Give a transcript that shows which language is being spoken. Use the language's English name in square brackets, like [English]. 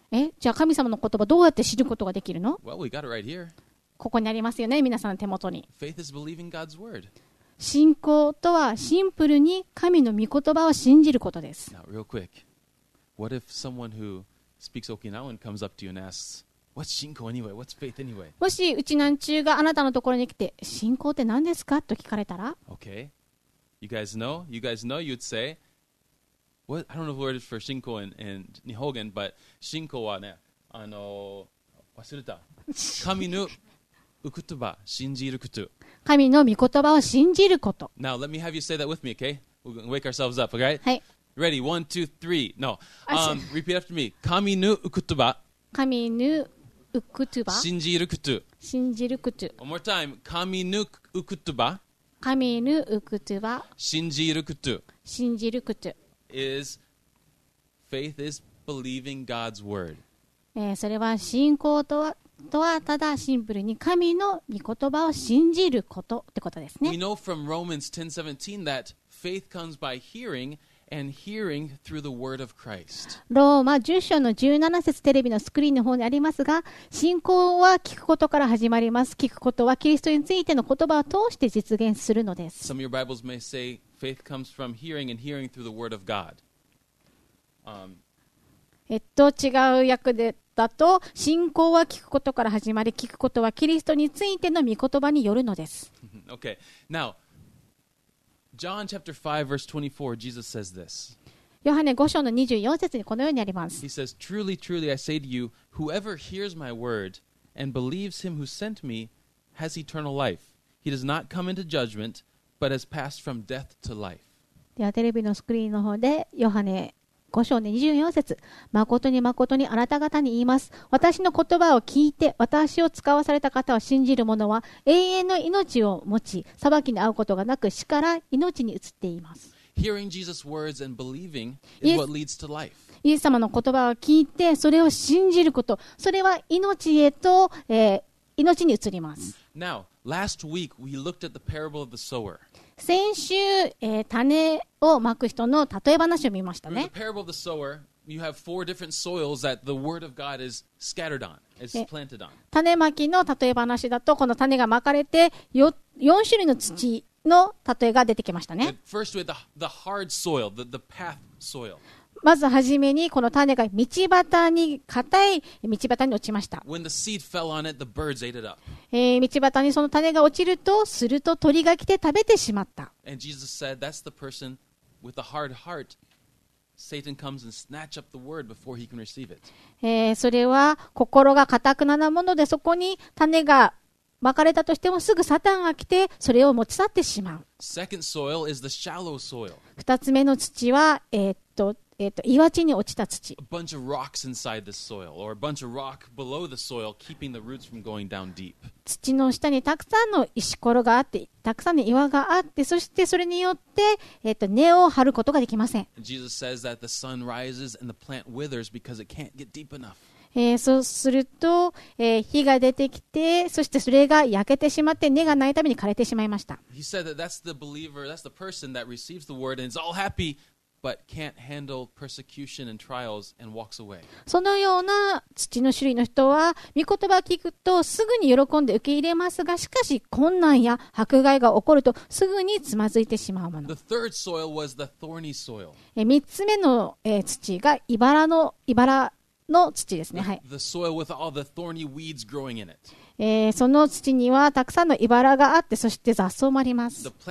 [Japanese] え、じゃあ神様の言葉どうやって知ることができるの。 [English] well, we got it right here. [Japanese] ここにありますよね皆さんの手元に。 [English] faith is believing God's word. [Japanese] 信仰とはシンプルに神の御言葉を信じることです。 [English] Now, real quick. What if someone who speaks Okinawan comes up to you and asks, what's 信仰 anyway? What's faith anyway? [Japanese] もしうちなんちゅうがあなたのところに来て信仰って何ですかと聞かれたら、 [English] Okay. You guys know you'd say, what? I don't know the word for 信仰 in 日本語 but [Japanese] 信仰はね忘れた神の御言葉信じること神の御言葉を信じること。 [English] Now, let me have you say that with me, okay? We're going to wake ourselves up, okay? [Japanese] はい。 [English] Ready? One, two, three. No. repeat after me. [Japanese] 神の御言葉。神の御言葉。信じること。信じること。 [English] One more time. [Japanese] 神の御言葉。神の御言葉。信じること。信じること。 [English] Is faith is believing God's word. [Japanese] それは信仰とは。とはただシンプルに神の御言葉を信じることってことですね。 [English] We know from Romans 10:17 that faith comes by hearing and hearing through the word of Christ. [Japanese] ローマ10章の17節テレビのスクリーンの方にありますが、信仰は聞くことから始まります。聞くことはキリストについての言葉を通して実現するのです。 [English] Some of your Bibles may say faith comes from hearing and hearing through the word of God. [Japanese] 違う訳でだと信仰は聞くことから始まり聞くことはキリストについての御言葉によるのです。 [English] Okay. Now, John chapter 5 verse 24, Jesus says this. [Japanese] ヨハネ5章の24節にこのようにあります。 [English] He says, truly, truly, I say to you, whoever hears my word and believes him who sent me has eternal life. He does not come into judgment, but has passed from death to life. [Japanese] ではテレビのスクリーンの方でヨハネ5章24節、誠に誠にあなた方に言います。私の言葉を聞いて、私を使わされた方を信じる者は、永遠の命を持ち、裁きに遭うことがなく、死から命に移っています。 [English] Hearing Jesus' words and believing is what leads to life. [Japanese] イエス様の言葉を聞いて、それを信じること、それは命へと、命に移ります。 [English] Now, last week we looked at the parable of the sower. [Japanese] 先週、種をまく人の例え話を見ましたね。 [English] The parable of the sower, you have four different soils that the word of God is scattered on, is planted on. [Japanese] 種まきの例え話だと、この種がまかれて、4種類の土の例えが出てきましたね。 [English] First with the hard soil, the path soil. [Japanese] まずはじめに、この種が道端に、硬い道端に落ちました。 [English] When the seed fell on it, the birds ate it up. [Japanese] 道端にその種が落ちると、すると鳥が来て食べてしまった。 [English] And Jesus said, that's the person with a hard heart. Satan comes and snatch up the word before he can receive it. [Japanese] それは心が固くなもので、そこに種がまかれたとしても、すぐサタンが来て、それを持ち去ってしまう。 [English] Second soil is the shallow soil. [Japanese] 二つ目の土は、岩地に落ちた土。 [English] A bunch of rocks inside the soil, or a bunch of rock below the soil, keeping the roots from going down deep. [Japanese] 土の下にたくさんの石ころがあって、たくさんの岩があって、そしてそれによって、根を張ることができません。 [English] Jesus says that the sun rises and the plant withers because it can't get deep enough. [Japanese] そうすると、火が出てきて、そしてそれが焼けてしまって根がないために枯れてしまいました。 [English] He said that that's the believer, that's the person that receives the word and is all happy. but can't handle persecution and trials and walks away. [Japanese] そのような土の種類の人は御言葉を聞くとすぐに喜んで受け入れますが、しかし困難や迫害が起こるとすぐにつまずいてしまうもの。 [English] The third soil was the thorny soil. [Japanese] 三つ目の土が茨の土ですね。はい。 [English] The soil with all the thorny weeds growing in it. [Japanese] その土にはたくさんの茨があって、そして雑草もあります。